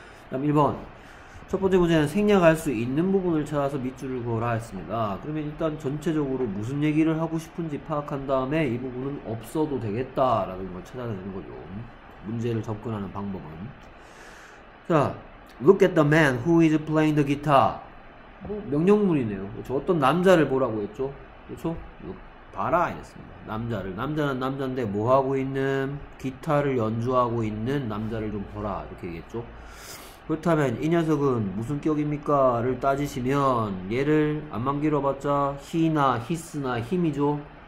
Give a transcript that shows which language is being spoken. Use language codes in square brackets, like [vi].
[ko] 다음 1번 첫 번째 문제는 생략할 수 있는 부분을 찾아서 밑줄을 그어라 했습니다. 그러면 일단 전체적으로 무슨 얘기를 하고 싶은지 파악한 다음에 이 부분은 없어도 되겠다라는 걸 찾아내는 거죠. 문제를 접근하는 방법은. [en] 자, look at the man who is playing the guitar. [ko] 뭐 명령문이네요. 그렇죠? 어떤 남자를 보라고 했죠? 그렇죠? 이거 봐라 이랬습니다. 남자를. 남자는 남자인데 뭐 하고 있는 기타를 연주하고 있는 남자를 좀 보라 이렇게 얘기했죠. 그렇다면 이 녀석은 무슨 격입니까?를 따지시면 얘를 암만 길어봤자 he나 his나 him이죠.